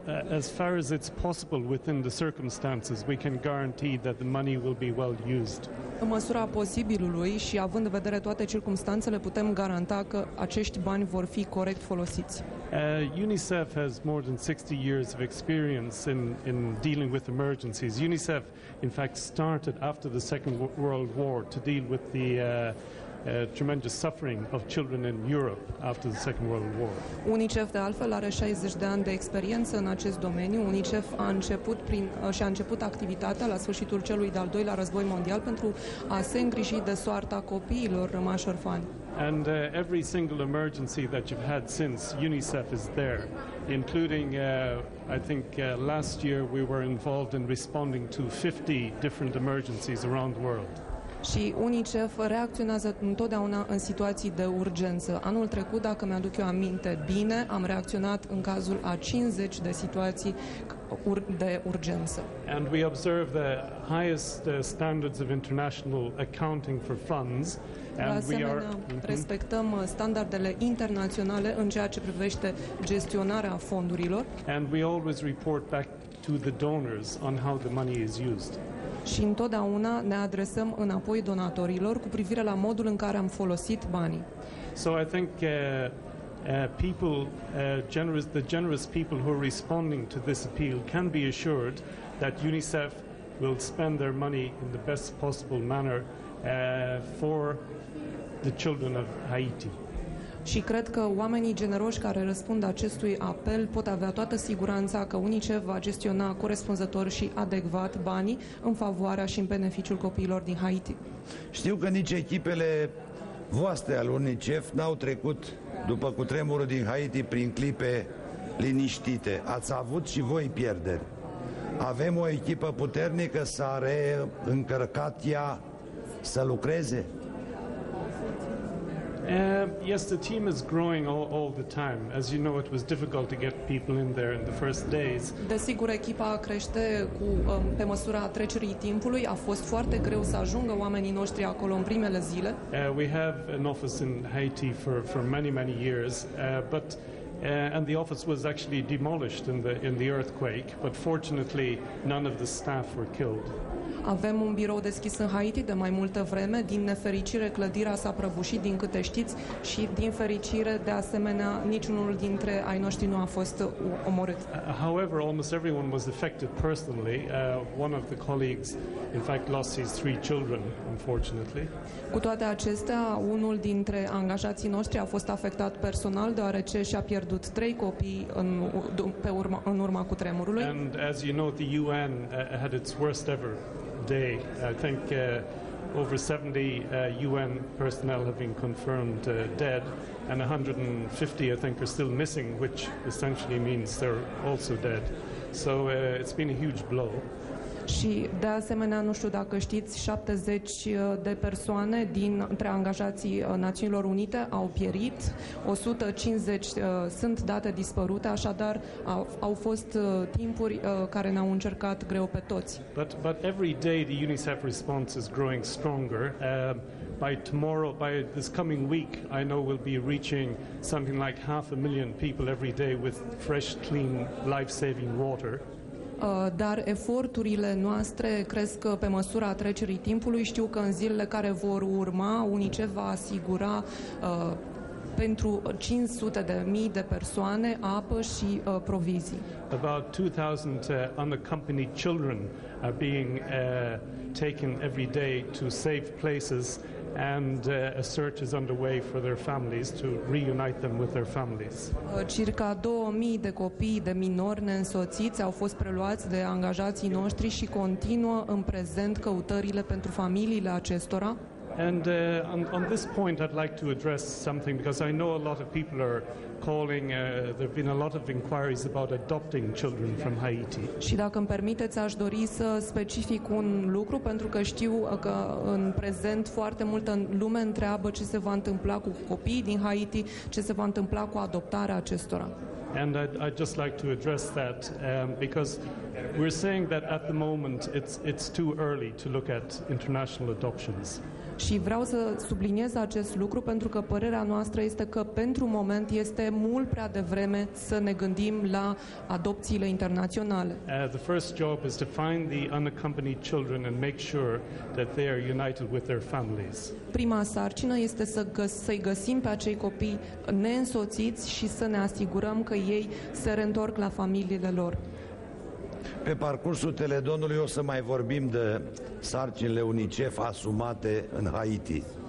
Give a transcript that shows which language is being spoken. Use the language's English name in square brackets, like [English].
[English] as far as it's possible within the circumstances, we can guarantee that the money will be well used. [Romanian] În măsura posibilului și având în vedere toate circumstanțele, putem garanta că acești bani vor fi corect folosiți. [English] UNICEF has more than 60 years of experience in dealing with emergencies. UNICEF, in fact, started after the Second World War to deal with the tremendous suffering of children in Europe after the Second World War. [Romanian] UNICEF, de altfel, are 60 de ani de experiență în acest domeniu. UNICEF a început activitatea la sfârșitul celui de-al doilea război mondial pentru a se îngriji de soarta copiilor rămași orfani. [English] And every single emergency that you've had since, UNICEF is there, including, I think, last year we were involved in responding to 50 different emergencies around the world. [Romanian] Și UNICEF reacționează întotdeauna în situații de urgență. Anul trecut, dacă mi-aduc eu aminte bine, am reacționat în cazul a 50 de situații de urgență. [English] And we observe the highest standards of international accounting for funds. [Romanian] De asemenea, respectăm standardele internaționale în ceea ce privește gestionarea fondurilor. [English] And we always report back to the donors on how the money is used. [Romanian] Și întotdeauna ne adresăm înapoi donatorilor cu privire la modul în care am folosit banii. [English] So I think the generous people who are responding to this appeal can be assured that UNICEF will spend their money in the best possible manner for the children of Haiti. [Romanian] Și cred că oamenii generoși care răspund acestui apel pot avea toată siguranța că UNICEF va gestiona corespunzător și adecvat banii în favoarea și în beneficiul copiilor din Haiti. Știu că nici echipele voastre al UNICEF n-au trecut după cutremurul din Haiti prin clipe liniștite. Ați avut și voi pierderi. Avem o echipă puternică, s-a reîncărcat ea să lucreze? [English] Yes, the team is growing all the time. As you know, it was difficult to get people in there in the first days. [Romanian] Desigur, echipa crește cu pe măsura trecerii timpului. A fost foarte greu să ajungă oamenii noștri acolo în primele zile. [English] We have an office in Haiti for many, many years, and the office was actually demolished in the earthquake, but fortunately none of the staff were killed. [Romanian] Avem un birou deschis în Haiti de mai multă vreme. Din nefericire, clădirea s-a prăbușit, din câte știți, și din fericire, de asemenea, niciunul dintre ai noștri nu a fost omorât. [English] However, almost everyone was affected personally. One of the colleagues, in fact, lost his three children, unfortunately. [Romanian] Cu toate acestea, unul dintre angajații noștri a fost afectat personal, deoarece și-a pierdut trei copii în urma cutremurului. [English] And as you know, the UN had its worst ever day. I think over 70 UN personnel have been confirmed dead, and 150, I think, are still missing, which essentially means they're also dead. So it's been a huge blow. [Romanian] Și de asemenea, nu știu dacă știți, 70 de persoane dintre angajații Națiunilor Unite au pierit, 150 sunt date dispărute, așadar au fost timpuri care ne-au încercat greu pe toți. [English] But every day the UNICEF response is growing stronger. By this coming week, I know we'll be reaching something like 500,000 people every day with fresh, clean, life-saving water. [Romanian] Dar eforturile noastre cresc pe măsura trecerii timpului. Știu că în zilele care vor urma, UNICEF va asigura pentru 500,000 de persoane apă și provizii. [English] About 2,000 unaccompanied children are being taken every day to safe places, and a search is underway for their families to reunite them with their families. [Romanian] Circa 2000 de copii, de minori neînsoțiți, au fost preluați de angajații noștri și continuă în prezent căutările pentru familiile acestora. [English] And on this point I'd like to address something, because I know a lot of people are calling, there've been a lot of inquiries about adopting children from Haiti. [Romanian] Și dacă îmi permiteți, aș dori să specific un lucru, pentru că știu că în prezent foarte multă lume întreabă ce se va întâmpla cu copiii din Haiti, ce se va întâmpla cu adoptarea acestora. [English] And I'd just like to address that because we're saying that at the moment it's too early to look at international adoptions. [Romanian] Și vreau să subliniez acest lucru pentru că părerea noastră este că pentru moment este mult prea devreme să ne gândim la adopțiile internaționale. [English] The first job is to find the unaccompanied children and make sure that they are united with their families. [Romanian] Prima sarcină este să-i găsim pe acei copii neînsoțiți și să ne asigurăm că ei se reîntorc la familiile lor. Pe parcursul teledonului o să mai vorbim de sarcinile UNICEF asumate în Haiti.